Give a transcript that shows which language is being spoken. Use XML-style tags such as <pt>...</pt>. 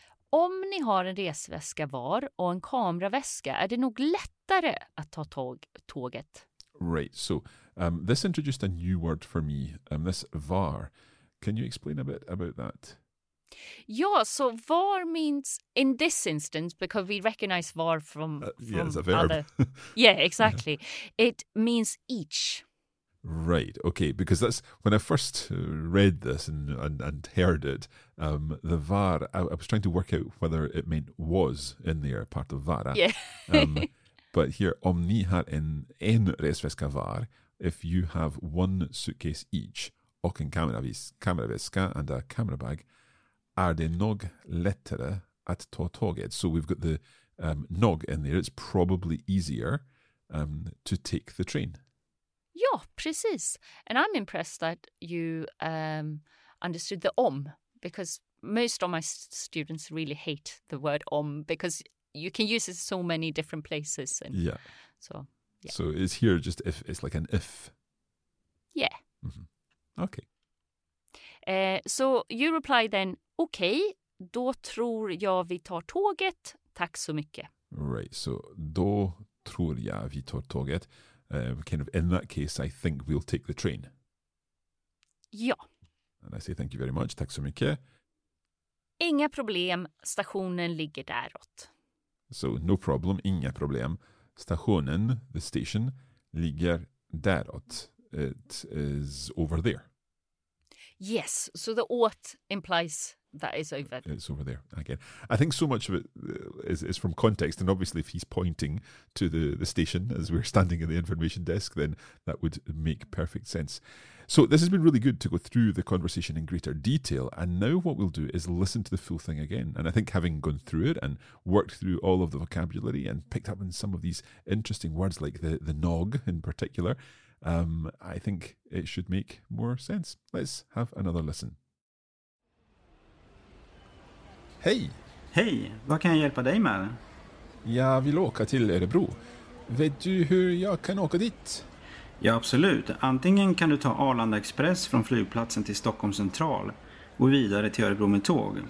<sv>Om ni har en resväska var och en kameraväska, är det nog lättare att ta tåget.</sv> <en>Right, so this introduced a new word for me, this var. Can you explain a bit about that? Ja, so var means in this instance, because we recognize var from it's a verb. Other. Yeah, exactly. It means each. Right, okay, because that's when I first read this and heard it, the var, I was trying to work out whether it meant was in there, part of vara. Yeah. but here,</en> <sv>om ni har en resväska var,</sv> <en>if you have one suitcase each,</en> <sv>och en kameraväska</sv> <en>and a camera bag,</en> <sv>är det nog lättare att ta tåget?</sv> <en>So we've got the nog in there, it's probably easier to take the train.</en> <sv>Ja, precis.</sv> <en>And I'm impressed that you understood the om, because most of my students really hate the word om, because you can use it so many different places. And yeah. So, yeah. So it's here just if it's like an if. Yeah. Mm-hmm. Okay. So you reply then, okay,</en> <sv>då tror jag vi tar tåget. Tack så mycket.</sv> <en>Right, so</en> <sv>då tror jag vi tar tåget.</sv> <en>Kind of in that case, I think we'll take the train.</en> <sv>Ja.</sv> <en>And I say thank you very much.</en> <sv>Tack så mycket. Inga problem. Stationen ligger däråt.</sv> <en>So no problem.</en> <sv>Inga problem. Stationen,</sv> <en>the station,</en> <sv>ligger däråt.</sv> <en>It is over there. Yes. So the åt implies that is over. It's over there again. I think so much of it is from context, and obviously if he's pointing to the station as we're standing in the information desk, then that would make perfect sense. So this has been really good to go through the conversation in greater detail, and now what we'll do is listen to the full thing again. And I think having gone through it and worked through all of the vocabulary and picked up on some of these interesting words like the nog in particular, I think it should make more sense. Let's have another listen.</en> <sv>Hej! Hej, vad kan jag hjälpa dig med? Jag vill åka till Örebro. Vet du hur jag kan åka dit? Ja, absolut. Antingen kan du ta Arlanda Express från flygplatsen till Stockholm Central och vidare till Örebro med tåg.</sv>